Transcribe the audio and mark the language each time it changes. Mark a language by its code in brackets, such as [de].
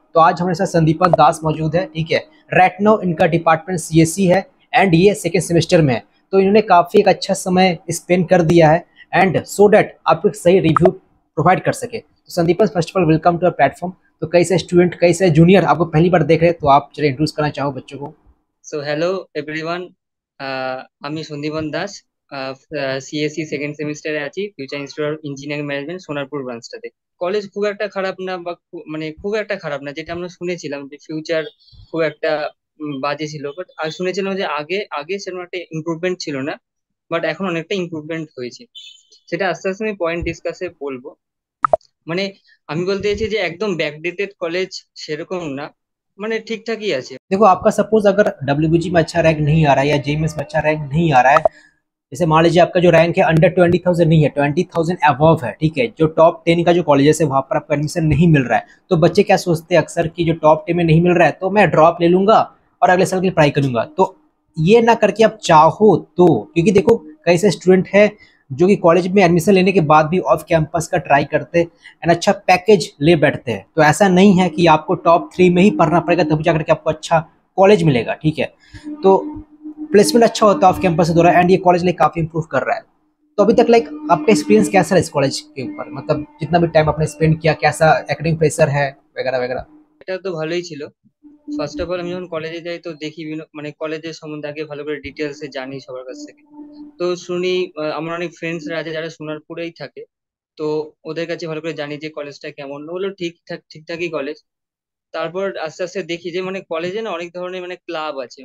[hi] तो आज हमारे साथ संदीपक दास मौजूद है, ठीक है। रेटनो इनका डिपार्टमेंट CSE है एंड ये सेकेंड सेमेस्टर में है। तो इन्होंने काफ़ी एक अच्छा समय स्पेंड कर दिया है एंड सो डैट आपको एक सही रिव्यू प्रोवाइड कर सके। तो Sandeep [en] First of all welcome to our platform. [hi] तो कैसे स्टूडेंट, कैसे जूनियर, आपको पहली बार देख रहे हैं तो आप चले इंट्रोड्यूस करना चाहो बच्चों को। [en] so hello everyone, [bn] আমি সন্দীপন দাস, CSE সেকেন্ড সেমিস্টারে আছি, future institute engineering management Sonarpur ব্রাঞ্চটাতে। College খুব একটা খারাপ না, বা মানে খুব একটা খারাপ না, যেটা আমরা শুনেছিলাম যে ফিউচার খুব একটা বাজে ছিল। বাট আমি শুনেছিলাম যে আগে আগে সেরকম একটা ইম্প্রুভমেন্ট ছিল না, বাট এখন অনেকটা ইম্প্রুভমেন্ট হয়েছে, সেটা আস্তে আস্তে আমি পয়েন্ট ডিসকাসে বলবো। মানে আমি বলতে চাইছি যে একদম ব্যাকডেটেড কলেজ সেরকম না, মানে ঠিকঠাকই আছে। [hi] देखो आपका सपोज अगर WBG में अच्छा रैंक नहीं आ रहा है या JEE में अच्छा रैंक नहीं आ रहा है, जैसे मान लीजिए आपका जो रैंक है अंडर 20,000 नहीं है, 20,000 अबव है, ठीक है, जो टॉप 10 का जो कॉलेजेस है वहाँ पर आपको एडमिशन नहीं मिल रहा है, तो बच्चे क्या सोचते हैं अक्सर कि जो टॉप 10 में नहीं मिल रहा है तो मैं ड्रॉप ले लूंगा और अगले साल के लिए पढ़ाई करूंगा। तो ये ना करके आप चाहो तो, क्योंकि देखो कैसे स्टूडेंट है जो कि कॉलेज में एडमिशन लेने के बाद भी ऑफ कैंपस का ट्राई करते हैं, अच्छा पैकेज ले बैठते हैं। तो ऐसा नहीं है कि आपको टॉप 3 में ही पढ़ना पड़ेगा तभी जाकर के आपको अच्छा कॉलेज मिलेगा, ठीक है। तो प्लेसमेंट अच्छा होता है ऑफ कैंपस द्वारा एंड ये कॉलेज लाइक काफ़ी इंप्रूव कर रहा है। तो अभी तक लाइक आपका एक्सपीरियंस कैसा रहा इस कॉलेज के ऊपर, मतलब जितना भी टाइम आपने स्पेंड किया कैसा एकेडमिक प्रेशर है वगैरह वगैरह। [bn] এটা তো ভালোই ছিল। [en] first of all [bn] আমি যখন কলেজে যাই তো দেখি, মানে কলেজের সম্বন্ধে আগে ভালো করে ডিটেলস এ জানি সবার কাছ থেকে। তো শুনি, আমার অনেক ফ্রেন্ডস রা আছে যারা সোনারপুরেই থাকে, তো ওদের কাছে ভালো করে জানি যে কলেজটা কেমন। ওগুলো ঠিকঠাক ঠিকঠাকই কলেজ। তারপর আস্তে আস্তে দেখি যে মানে কলেজে না অনেক ধরনের মানে ক্লাব আছে।